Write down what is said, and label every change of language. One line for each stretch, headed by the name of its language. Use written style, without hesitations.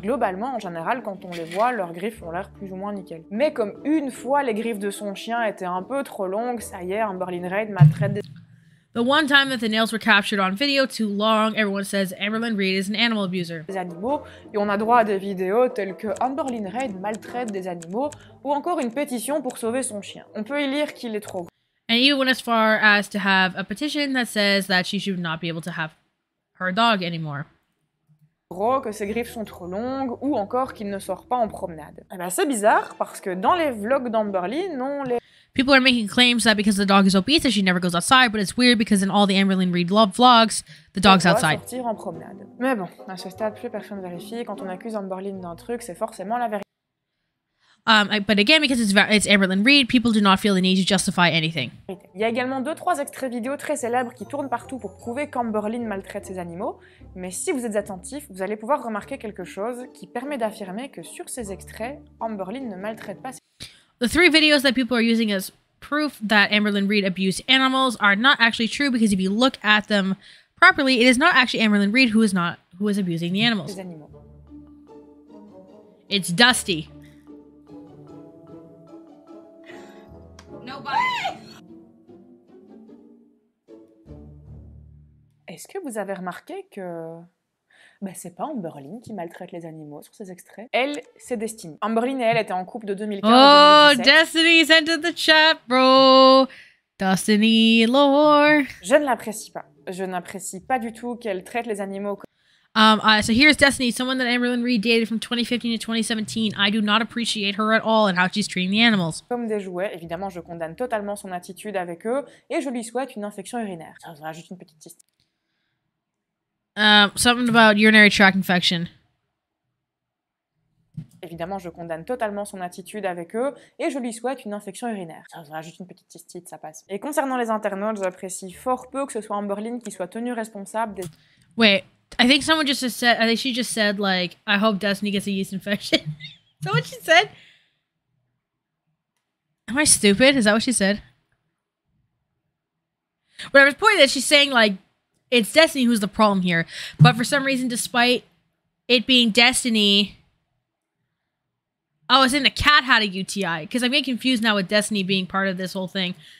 French: Et globalement, en général, quand on les voit, leurs griffes ont l'air plus ou moins nickel. Mais comme une fois les griffes de son chien étaient un peu trop longues, ça y est, Amberlynn Reid maltraite des...
English: The one time that the nails were captured on video too long, everyone says Amberlynn Reid is an animal abuser.
French: Des animaux, et on a droit à des vidéos telles que Amberlynn Reid maltraite des animaux, ou encore une pétition pour sauver son chien. On peut y lire qu'il est trop.
English: And even went as far as to have a petition that says that she should not be able to have her dog anymore.
French: Gros, que ses griffes sont trop longues, ou encore qu'il ne sort pas en promenade. Et ben c'est bizarre, parce que dans les vlogs d'Amberlynn, on les...
English: People are making claims that because the dog is obese that she never goes outside, but it's weird because in all the Amberlynn Reid love vlogs, the dog's outside.
French: Sortir en promenade. Mais bon, à ce stade, plus personne vérifie. Quand on accuse Amberlynn d'un truc, c'est forcément la vérité.
English: But again, because it's Amberlynn Reid, people do not feel the need to justify anything.
French: Il y a également 2-3 extraits vidéo très célèbres qui tournent partout pour prouver qu'Amberlynn maltraite ses animaux. Mais si vous êtes attentif, vous allez pouvoir remarquer quelque chose qui permet d'affirmer que sur ces extraits, Amberlynn ne maltraite pas ses animaux.
English: The 3 videos that people are using as proof that Amberlynn Reid abused animals are not actually true because if you look at them properly, it is not actually Amberlynn Reid who is abusing the animals. It's Dusty. Nobody.
French: Est-ce que vous avez remarqué que bah, c'est pas Amberlynn qui maltraite les animaux sur ces extraits. Elle, c'est Destiny. Amberlynn et elle étaient en couple de 2015.
English: Oh, Destiny's entered the chat, bro. Destiny lore.
French: Je ne l'apprécie pas. Je n'apprécie pas du tout qu'elle traite les animaux.
English: So here's Destiny, someone that Amberlynn Reid dated from 2015 to 2017. I do not appreciate her at all and how she's treating the animals.
French: Comme des jouets, évidemment, je condamne totalement son attitude avec eux et je lui souhaite une infection urinaire. Ça sera juste une petite histoire.
English: Something about urinary tract infection.
French: Évidemment, je condamne totalement son attitude avec eux et je lui souhaite une infection urinaire. Ça sera juste une petite cystite, ça passe. Et concernant les internautes, j'apprécie fort peu que ce soit Amberlynn qui soit tenue responsable des...
English: Wait, I think someone just said, I think she just said like, I hope Destiny gets a yeast infection. Is that what she said? Am I stupid? Is that what she said? Whatever, the point is she's saying like, it's Destiny who's the problem here, but for some reason, despite it being Destiny, oh, it's in the cat had a UTI, because I'm getting confused now with Destiny being part of this whole thing.